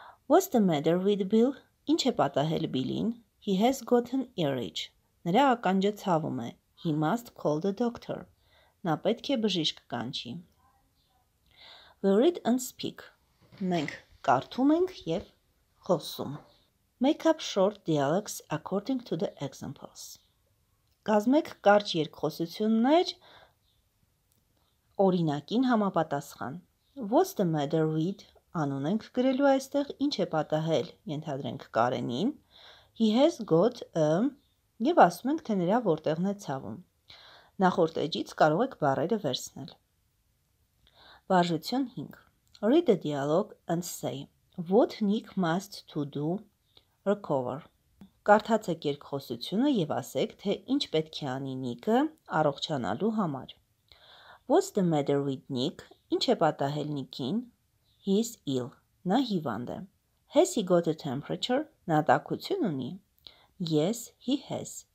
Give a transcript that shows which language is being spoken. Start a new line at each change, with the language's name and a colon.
English: What's the matter with Bill?
Armenian: Ինչ է պատահել Billin?
English: He has got an earache.
Armenian: Նրա ականջը ցավում է.
English: He must call the doctor.
Armenian: Նա պետք է բժիշկ կանչի.
English: We read and speak.
Armenian: Մենք կարդում ենք և խոսում.
English: Make up short dialogues according to the examples.
Armenian: Կազմեք կարճ երկխոսություններ օրինակին համապատասխան.
English: What's the matter with?
Armenian: Անուն ենք գրելու այստեղ, ինչ է պատահել, ենթադրենք Կարենին.
English: He has got a...
Armenian: Եվ ասում ենք, թե նրա որտեղն է ցավում. Նախորդ էջից կարող եք բառերը վերցնել. Վարժություն 5.
English: Read the dialogue and say, what Nick must to do? Recover.
Armenian: Կարդացեք երկխոսությունը և ասեք, թե ինչ պետք է անի Նիկը առողջանալու համար.
English: What's the matter with Nick?
Armenian: Ինչ է պատահել Նիկին? He's ill. Նա հիվանդ է.
English: Has he got a temperature?
Armenian: Նա տաքություն ունի?
English: Yes, he has.